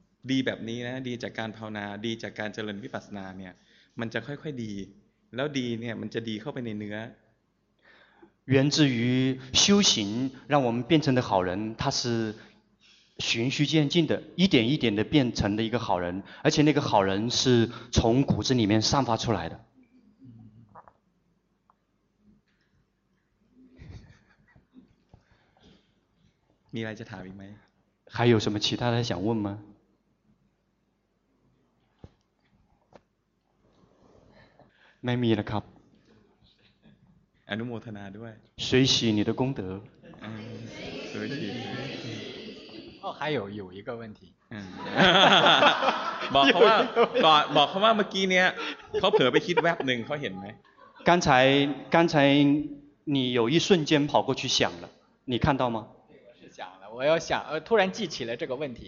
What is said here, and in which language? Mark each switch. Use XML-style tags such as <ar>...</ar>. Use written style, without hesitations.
<th>ดีแบบนี้นะดีจากการภาวนาดีจากการเจริญวิปัสสนาเนี่ยมันจะค่อยๆดีแล้วดีเนี่ยมันจะดีเข้าไปในเนื้อ</th> <zh>源自于修行让我们变成的好人它是循序渐进的一点一点的变成的一个好人而且那个好人是从骨子里面散发出来的你来这塔里没还有什么其他的想问吗</zh> <th>ไม่มีนะครับ อนุโมทนาด้วย</th> <zh>随喜你的功德随喜哦还有一个问题</zh> <th>บอกเขาว่าก่อนบอกเขาว่าเมื่อกี้เนี้ยเขาเผลอไปคิดแวบนึงเขาเห็นไหม</th> <zh>刚才你有一瞬间跑过去想了你看到吗我是想了我要想突然记起了这个问题</zh>